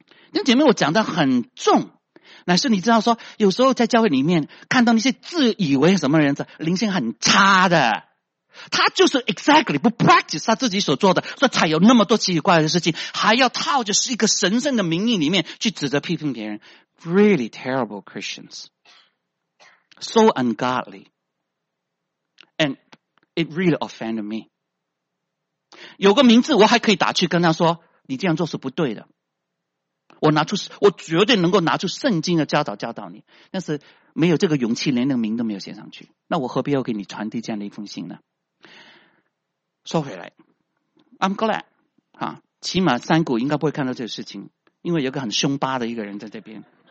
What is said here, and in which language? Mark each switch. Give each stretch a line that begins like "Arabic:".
Chinese: 弟兄姐妹，我讲得很重，乃是你知道说，有时候在教会里面看到那些自以为什么人子，灵性很差的，他就是 exactly 不 practice 他自己所做的，所以才有那么多奇怪的事情，还要套着是一个神圣的名义里面去指责批评别人。
English: Really terrible Christians, so ungodly, and it really offended me.
Chinese: 有个名字我还可以打去跟他说，你这样做是不对的。我绝对能够拿出圣经的教导教导你，但是没有这个勇气，连那个名都没有写上去，那我何必要给你传递这样的一封信呢？说回来
English: I'm glad
Chinese: 啊，起码三谷应该不会看到这个事情，因为有个很凶巴的一个人在这边。